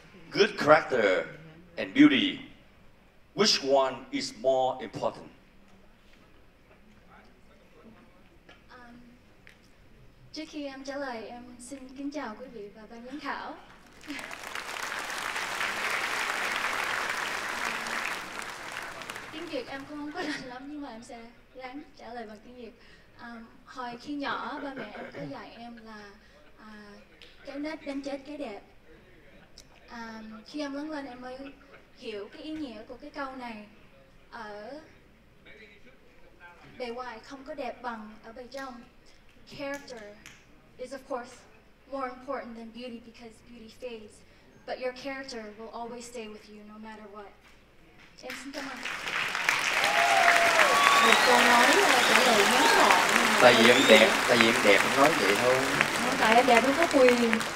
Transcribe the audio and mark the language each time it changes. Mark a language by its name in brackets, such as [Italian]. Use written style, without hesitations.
[English] Good character and beauty, which one is more important? [Vietnamese] Trước khi em trả lời, em xin kính chào quý vị và ban giám khảo. Tiếng Việt em cũng không có rành lắm, nhưng mà em sẽ ráng trả lời bằng tiếng Việt. Hồi khi nhỏ, ba mẹ em có dạy em là cái nết đánh chết cái đẹp. Khi em lớn lên, em mới hiểu cái ý nghĩa của cái câu này. Ở bề ngoài không có đẹp bằng ở bề trong. [English] Character is of course more important than beauty because beauty fades, but your character will always stay with you no matter what. [Vietnamese] Em xin cảm ơn. Một câu nói trả lời ngắn gọn. Tại vì em đẹp, tại vì em đẹp em nói vậy thôi. Không, tại em đẹp không có quyền.